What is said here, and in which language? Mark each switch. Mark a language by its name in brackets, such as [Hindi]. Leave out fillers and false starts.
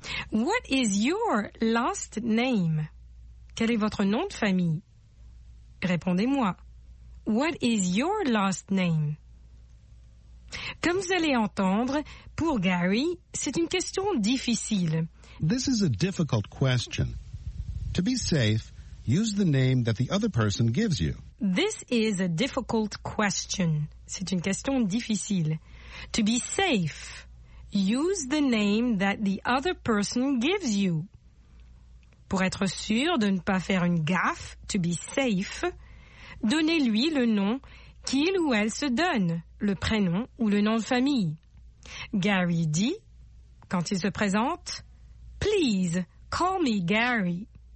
[English] What is your last name? [French] Quel est votre nom de famille? Répondez-moi. [English] What is your last name? [French] Comme vous allez entendre, pour Gary, c'est une question difficile. [English] This is a difficult question. To be safe, use the name that the other person gives you. This is a difficult question. [French] C'est une question difficile. [English] To be safe, use the name that the other person gives you. [French] Pour être sûr de ne pas faire une gaffe, [English] to be safe, [French] donnez-lui le nom qu'il ou elle se donne, le prénom ou le nom de famille. Gary dit, quand il se présente, [English] Please, call me Gary.